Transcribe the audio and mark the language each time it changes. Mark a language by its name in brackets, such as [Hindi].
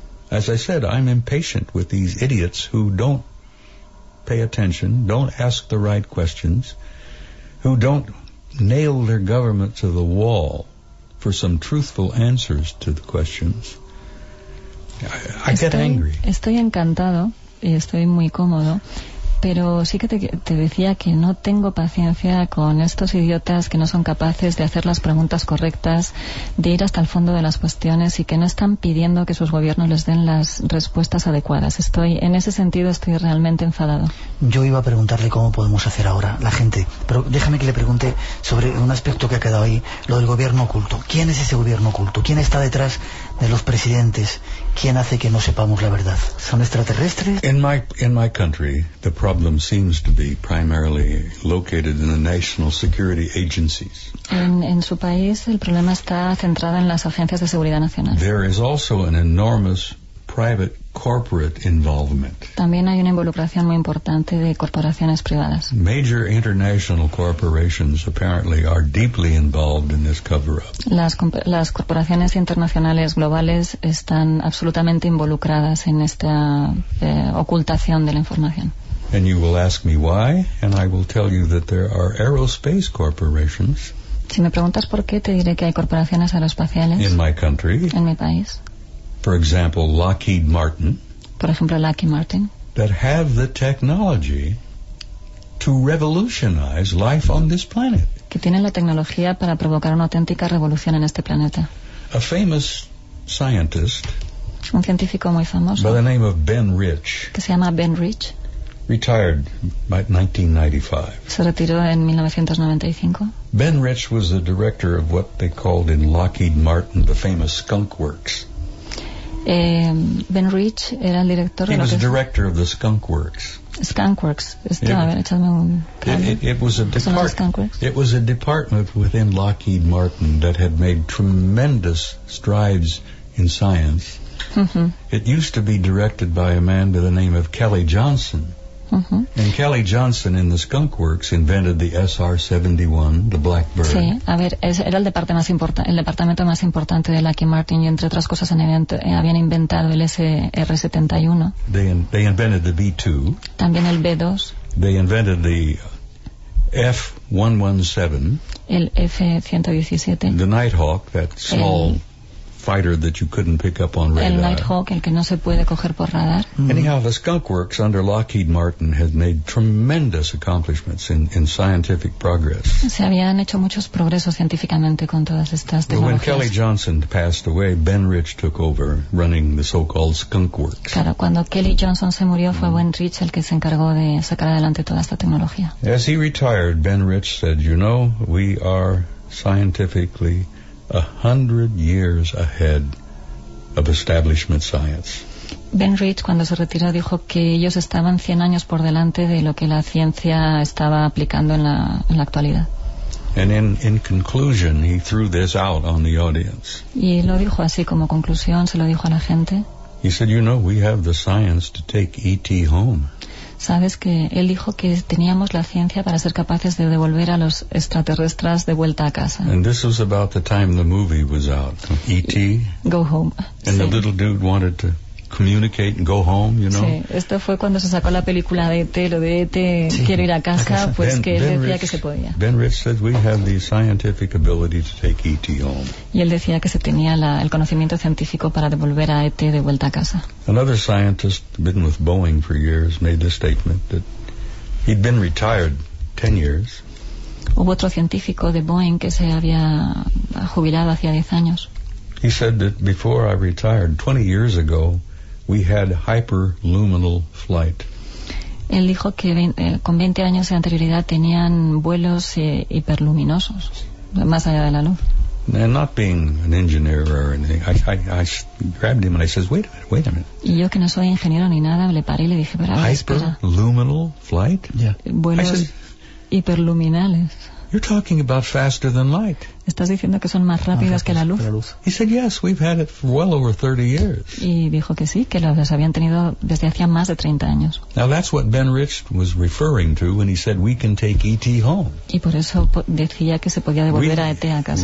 [English] As I said, I'm impatient with these idiots who don't pay attention, don't ask the right questions, who don't nail their government to the wall for some truthful answers to the questions. I get angry. [Spanish] Estoy encantado y estoy muy cómodo, pero sí que te decía que no tengo paciencia con estos idiotas que no son capaces de hacer las preguntas correctas, de ir hasta el fondo de las cuestiones y que no están pidiendo que sus gobiernos les den las respuestas adecuadas. En ese sentido estoy realmente enfadado. Yo iba a preguntarle cómo podemos hacer ahora la gente, pero déjame que le pregunte sobre un aspecto que ha quedado ahí, lo del gobierno oculto. ¿Quién es ese gobierno oculto? ¿Quién está detrás de los presidentes? ¿Quién hace que no sepamos la verdad? ¿Son extraterrestres? [English] In my country, the problem seems to be primarily located in the national security agencies. [Spanish] En su país el problema está centrado en las agencias de seguridad nacional. [English] There is also an enormous private corporate involvement. [Spanish] También hay una involucración muy importante de corporaciones privadas. [English] Major international corporations apparently are deeply involved in this cover-up. [Spanish] Las corporaciones internacionales globales están absolutamente involucradas en esta ocultación de la información. [English] And you will ask me why, and I will tell you that there are aerospace corporations. [Spanish] Si me preguntas por qué, te diré que hay corporaciones aeroespaciales. [English] In my country. [Spanish] En mi país. [English] For example, Lockheed Martin. [Spanish] Por ejemplo, Lockheed Martin. [English] That have the technology to revolutionize life on this planet. [Spanish] Que tienen la tecnología para provocar una auténtica revolución en este planeta. [English] A famous scientist. [Spanish] Un científico muy famoso. [English] By the name of Ben Rich. [Spanish] Que se llama Ben Rich. [English] Retired by 1995. [Spanish] Se retiró en 1995. [English] Ben Rich was the director of what they called in Lockheed Martin the famous Skunk Works. [Spanish] Ben Rich era el director. [English] He was the director of the Skunk Works. Skunk Works. It was a department within Lockheed Martin that had made tremendous strides in science. Mm-hmm. It used to be directed by a man by the name of Kelly Johnson. Uh-huh. And Kelly Johnson in the Skunk Works invented the SR-71, the Blackbird. [Spanish] Sí, a ver, era el departamento más importante de Lockheed Martin, y entre otras cosas habían inventado el SR-71. [English] They invented the B-2. [Spanish] También el B-2. [English] They invented the F-117. [Spanish] El F-117. [English] The Nighthawk, that small fighter that you couldn't pick up on radar. [Spanish] El Nighthawk, el que no se puede coger por radar. [English] Mm. Anyhow, the Skunk Works under Lockheed Martin had made tremendous accomplishments in scientific progress. [Spanish] Se habían hecho muchos progresos científicamente con todas estas tecnologías. [English] When Kelly Johnson passed away, Ben Rich took over running the so-called Skunk Works. [Spanish] Claro, cuando Kelly Johnson se murió, fue Ben Rich el que se encargó de sacar adelante toda esta tecnología. [English] As he retired, Ben Rich said, "You know, we are scientifically 100 years ahead of establishment science." [Spanish] Ben Rich, cuando se retiró, dijo que ellos estaban 100 años por delante de lo que la ciencia estaba aplicando en la actualidad. [English] And in conclusion, he threw this out on the audience. [Spanish] Y lo dijo así como conclusión, se lo dijo a la gente. [English] He said, "You know, we have the science to take ET home." [Spanish] Sabes que él dijo que teníamos la ciencia para ser capaces de devolver a los extraterrestres de vuelta a casa. [English] And this was about the time the movie was out. E.T. Go home. And The little dude wanted to communicate and go home, you know. [Spanish] Sí, esto fue cuando se sacó la película de E.T., lo de E.T., sí. Quiero ir a casa, pues Ben, que él decía que se podía. [English] Ben Rich said we have the scientific ability to take E.T. home. [Spanish] Y él decía que se tenía el conocimiento científico para devolver a E.T. de vuelta a casa. [English] Another scientist, been with Boeing for years, made the statement that he'd been retired 10 years. [Spanish] Hubo otro científico de Boeing que se había jubilado hacía 10 años. [English] He said that before I retired, 20 years ago, we had hyperluminal flight. [Spanish] Él dijo que con 20 años de anterioridad tenían vuelos hiperluminosos, más allá de la luz. [English] And not being an engineer or anything, I grabbed him and I says, wait a minute. [Spanish] Y yo que no soy ingeniero ni nada, le paré y le dije, pero [English] hyperluminal flight? Yeah. [Spanish] Vuelos says, hiperluminales. [English] You're talking about faster than light. [Spanish] Estás diciendo que son más rápidos que la luz. [English] He said, yes, we've had it for well over 30 years. [Spanish] Y dijo que sí, que los habían tenido desde hacía más de 30 años. [English] Now that's what Ben Rich was referring to when he said we can take E.T. home. [Spanish] Y por eso decía que se podía devolver a E.T. a casa.